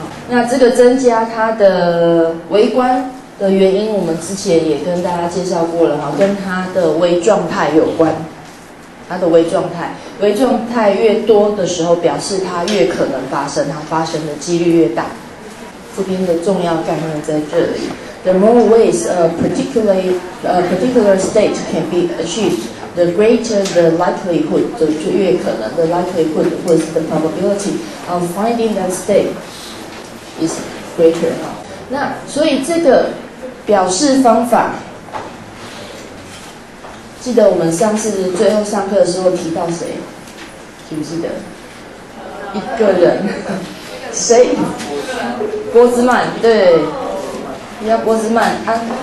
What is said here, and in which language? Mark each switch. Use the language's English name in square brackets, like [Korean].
[Chinese] 那这个增加它的微观的原因，我们之前也跟大家介绍过了哈，跟它的微状态有关。它的微状态，微状态越多的时候，表示它越可能发生，它发生的几率越大。这边的重要概念在这里 [English] ：The more ways a particular state can be achieved, the greater the likelihood， [Chinese] 就越可能的 [English] likelihood [Chinese] 或者是 [English] the probability of finding that state。 is greater。 [Chinese] 那所以这个表示方法，记得我们上次最后上课的时候提到谁，记不记得？一个人，谁？波兹曼，对，你要波兹曼啊？